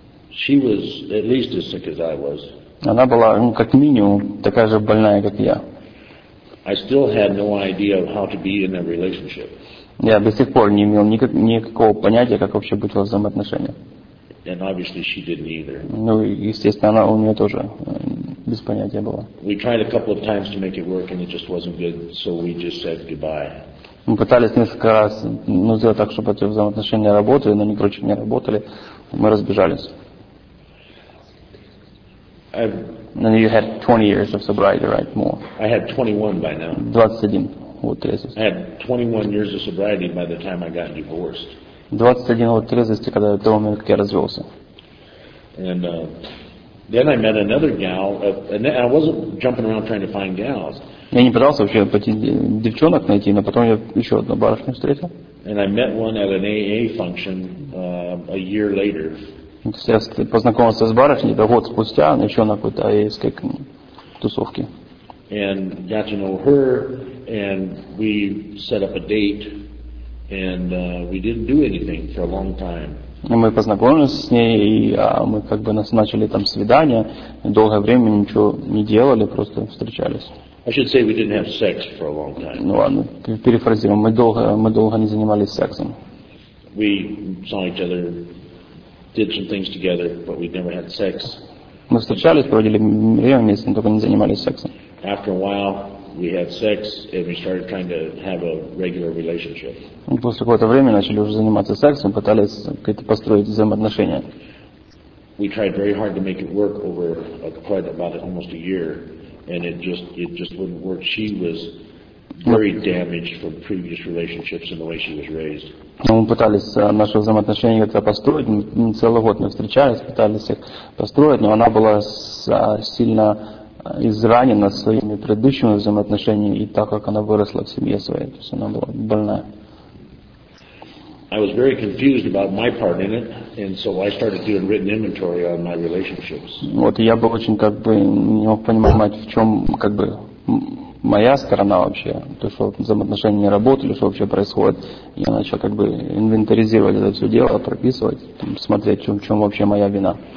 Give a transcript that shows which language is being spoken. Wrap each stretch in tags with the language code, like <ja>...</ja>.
<en>She was at least as sick as I was.</en> <ru>Она была, ну, как минимум, такая же больная, как я.</ru> <en>I still had no idea of how to be in a relationship.</en> <ru>Я до сих пор не имел никакого понятия, как вообще быть в взаимоотношениях.</ru> <en>And obviously she didn't either.</en> <ru>Ну, естественно, она у нее тоже без понятия была.</ru> <en>We tried a couple of times to make it work, and it just wasn't good, so we just said goodbye.</en> <ru>Мы пытались несколько раз, ну, сделать так, чтобы эти взаимоотношения работали, но они, короче, не работали. Мы разбежались.</ru> <en>And you had 20 years of sobriety, right? More. I had 21 by now.</en> <ru>21. Вот трезвость.</ru> <en>I had 21 years of sobriety by the time I got divorced.</en> <ru>21 год трезвости, когда до того момента, как я развелся.</ru> <en>And then I met another gal, and I wasn't jumping around trying to find gals.</en> <ru>Я не пытался вообще пойти девчонок найти, но потом я еще одну барышню встретил.</ru> <en>And I met one at an AA function a year later.</en> <ru>То есть я познакомился с барышней, да, год спустя, еще на какой-то аэйской тусовке.</ru> <en>And got to know her, and we set up a date, and we didn't do anything for a long time.</en> <ru>И мы познакомились с ней, и мы как бы начали там свидание, долгое время ничего не делали, просто встречались.</ru> <en>I should say we didn't have sex for a long time.</en> <ru>Ну ладно, перефразируем, мы долго не занимались сексом.</ru> <en>We saw each other. Did some things together, but we never had sex.</en> <ru>Мы встречались, проводили время вместе, но только не занимались сексом.</ru> <en>After a while, we had sex, and we started trying to have a regular relationship.</en> <ru>После какого-то времени начали уже заниматься сексом, пытались какие-то построить взаимоотношения.</ru> <en>We tried very hard to make it work over almost a year, and it just wouldn't work. She was very damaged from previous relationships and the way she was raised.</en> <ru>Мы пытались наши взаимоотношения как-то построить, целый год мы встречались, пытались их построить, но она была сильно изранена своими предыдущими взаимоотношениями, и так как она выросла в семье своей, то есть она была больная.</ru> <en>I was very confused about my part in it, and so I started doing written inventory on my relationships.</en> <ru>Вот, я был очень как бы не мог понимать, в чем как бы моя сторона вообще, то, что взаимоотношения не работали, что вообще происходит. Я начал как бы инвентаризировать это все дело, прописывать, там, смотреть, в чем вообще моя вина.</ru>